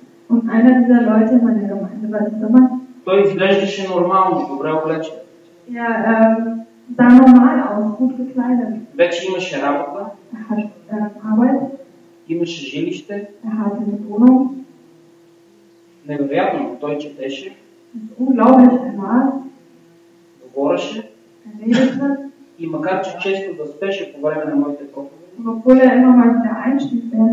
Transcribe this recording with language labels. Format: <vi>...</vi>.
<de>Und einer dieser Leute in meiner Gemeinde war das immer.</de> <bg>Той изглеждаше нормално, добре облечен.</bg> <de>Ja, sah normal aus, gut gekleidet.</de> <bg>Вече имаше работа.</bg> <de>Arbeit.</de> <bg>Имаше жилище.</bg> <de>Hatte eine Wohnung.</de> <bg>Невероятно, той четеше.</bg> <de>Unglaublich, er war.</de> <bg>Говореше.</bg> <de>Redete.</de> <bg>И макар че често да спеше по време на моите проповеди.</bg> <de>Obwohl er immer mal wieder einschlief.</de>